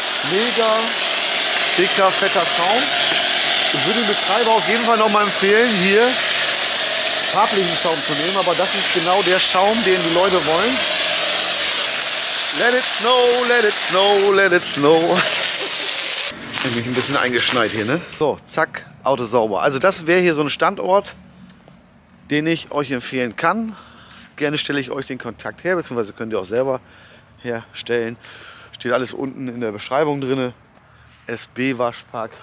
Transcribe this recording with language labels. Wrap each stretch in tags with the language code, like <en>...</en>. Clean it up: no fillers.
<de>Mega dicker, fetter Schaum. Ich würde den Betreiber auf jeden Fall noch mal empfehlen, hier farblichen Schaum zu nehmen. Aber das ist genau der Schaum, den die Leute wollen.</de> <en>Let it snow, let it snow, let it snow.</en> <de>Ich bin mich ein bisschen eingeschneit hier, ne? So, zack. Auto sauber. Also das wäre hier so ein Standort, den ich euch empfehlen kann. Gerne stelle ich euch den Kontakt her, beziehungsweise könnt ihr auch selber herstellen. Steht alles unten in der Beschreibung drin. SB-Waschpark.</de>